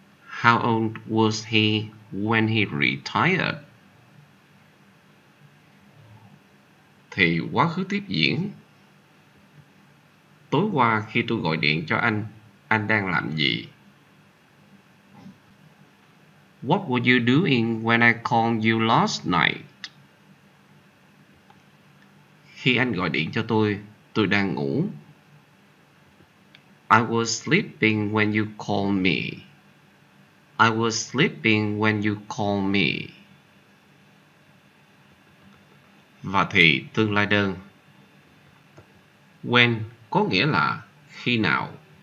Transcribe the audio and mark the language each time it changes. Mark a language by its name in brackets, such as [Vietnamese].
[English] How old was he when he retired? [Vietnamese] Thì quá khứ tiếp diễn. Tối qua khi tôi gọi điện cho anh đang làm gì? [English] What were you doing when I called you last night? [Vietnamese] Khi anh gọi điện cho tôi đang ngủ. [English] I was sleeping when you called me. I was sleeping when you called me. [Vietnamese] Và thì tương lai đơn. When có nghĩa là khi nào.